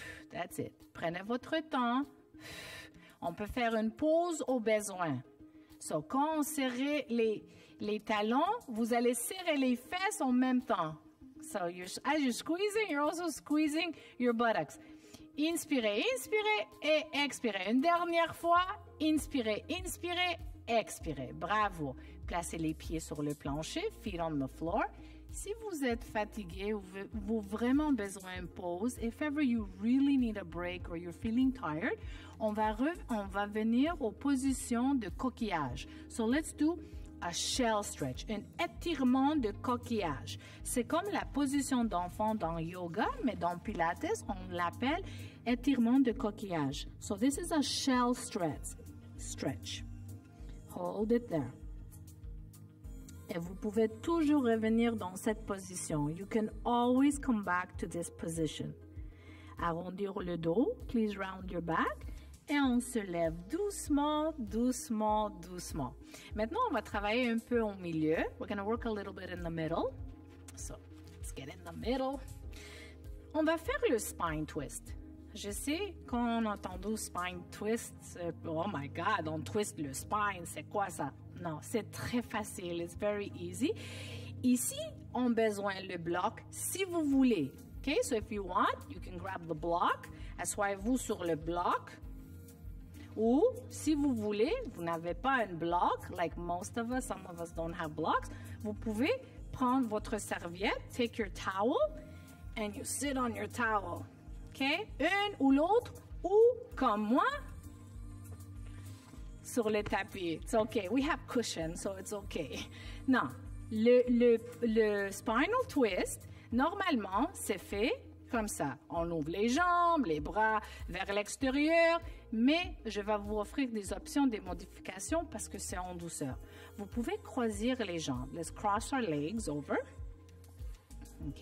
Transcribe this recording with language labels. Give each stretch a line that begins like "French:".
English: That's it.
French: Prenez votre temps. On peut faire une pause au besoin. So, quand on serre les talons, vous allez serrer les fesses en même temps.
English: So, as you're squeezing, you're also squeezing your buttocks.
French: Inspirez, inspirez et expirez. Une dernière fois. Inspirez, inspirez, expirez. Bravo. Placez les pieds sur le plancher.
English: Feet on the floor.
French: Si vous êtes fatigué ou vous vraiment besoin d'une pause,
English: if ever you really need a break or you're feeling tired,
French: on va venir aux positions de coquillage.
English: So, let's do a shell stretch,
French: un étirement de coquillage. C'est comme la position d'enfant dans yoga, mais dans Pilates, on l'appelle étirement de coquillage.
English: So this is a shell stretch. Hold it there.
French: Et vous pouvez toujours revenir dans cette position.
English: You can always come back to this position.
French: Arrondir le dos.
English: Please round your back.
French: Et on se lève doucement, doucement, doucement. Maintenant, on va travailler un peu au milieu.
English: We're going to work a little bit in the middle. So, let's get in the middle.
French: On va faire le spine twist. Je sais qu'on entend « spine twist »,
English: oh my God,
French: on twist le spine, c'est quoi ça? Non, c'est très facile,
English: it's very easy.
French: Ici, on a besoin le bloc, si vous voulez.
English: Okay, so if you want, you can grab the block,
French: asseyez-vous sur le bloc. Ou si vous voulez, vous n'avez pas un bloc,
English: like most of us, some of us don't have blocks,
French: vous pouvez prendre votre serviette,
English: take your towel, and you sit on your towel.
French: Okay, une ou l'autre, ou comme moi, sur le tapis.
English: It's okay, we have cushions, so it's okay.
French: Non, le spinal twist, normalement, c'est fait comme ça. On ouvre les jambes, les bras vers l'extérieur, mais je vais vous offrir des options, des modifications, parce que c'est en douceur. Vous pouvez croiser les jambes.
English: Let's cross our legs over.
French: OK.